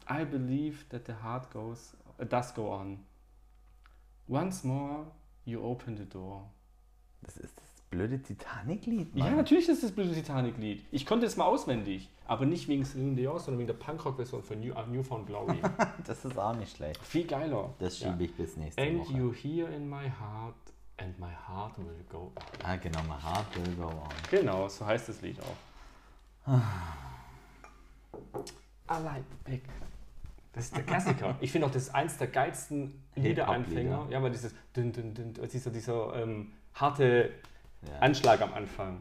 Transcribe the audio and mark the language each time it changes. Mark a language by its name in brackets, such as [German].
[English] I believe that the heart goes, does go on. Once more, you open the door. [German] Das ist das blöde Titanic-Lied, Mann. Ja, natürlich ist das blöde Titanic-Lied. Ich konnte es mal auswendig. Aber nicht wegen Celine Dion, sondern wegen der Punkrock-Version von Newfound Glory. Das ist auch nicht schlecht. Viel geiler. Das schiebe ich bis nächste [English] and [German] Woche. [English] And you hear in my heart, and my heart will go on. [German] Ah, genau, [English] my heart will go on. [German] Genau, so heißt das Lied auch. [English] I like big. [German] Das ist der Klassiker. Ich finde auch, das ist eins der geilsten Liederanfänger. Ja, weil dieses dieser harte Anschlag am Anfang.